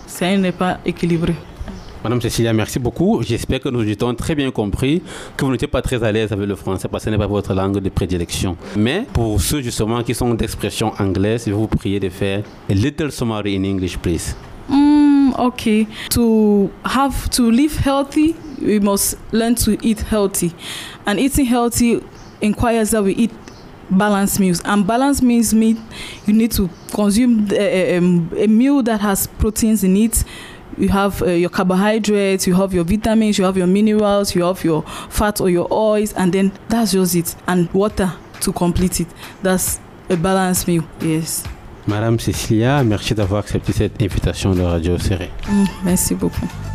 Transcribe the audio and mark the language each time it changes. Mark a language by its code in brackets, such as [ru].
[fr] Ça n'est pas équilibré. Madame Cécilia, merci beaucoup. J'espère que nous avons très bien compris que vous n'étiez pas très à l'aise avec le français parce que ce n'est pas votre langue de prédilection. Mais pour ceux justement qui sont d'expression anglaise, je vais vous prier de faire [en] a little summary in English, please. Okay. To live healthy, we must learn to eat healthy. And eating healthy requires that we eat balanced meals. And balanced means meat, you need to consume a meal that has proteins in it. You have your carbohydrates, you have your vitamins, you have your minerals, you have your fats or your oils, and then that's just it. And water to complete it. That's a balanced meal, yes. [fr] Madame Cécilia, merci d'avoir accepté cette invitation de Radio Serré. Merci beaucoup.